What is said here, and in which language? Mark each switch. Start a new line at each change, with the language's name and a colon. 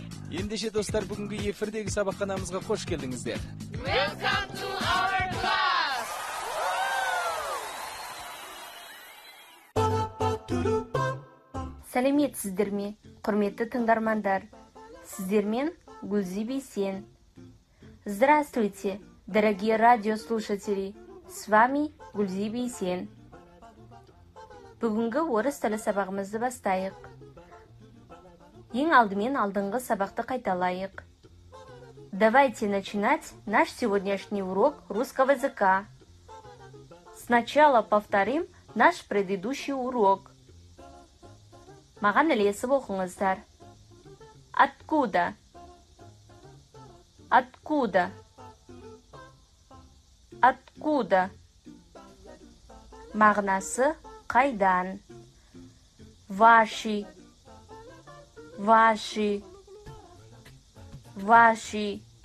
Kazakh: Ендеше, достар, бүгінгі ефірдегі сабаққанамызға қош келдіңіздер.
English: Welcome to our class.
Kazakh: Сәлемет сіздерме, құрметті тыңдармандар. Сіздермен Гүлзі Бейсен.
Russian: Здравствуйте, дорогие радиослушатели. С вами Гүлзі Бейсен.
Kazakh: Бүгінгі орыс тілі сабағымызды бастайық. Ең алдымен алдыңғы сабақты қайталайық.
Russian: Давайте начинать наш сегодняшний урок русского языка. Сначала повторим наш предыдущий урок.
Kazakh: Маған ілесіп оқыңыздар.
Russian: Откуда? Откуда? Откуда?
Kazakh: Мағынасы қайдан.
Russian: Ваши. Ваши. Ваши.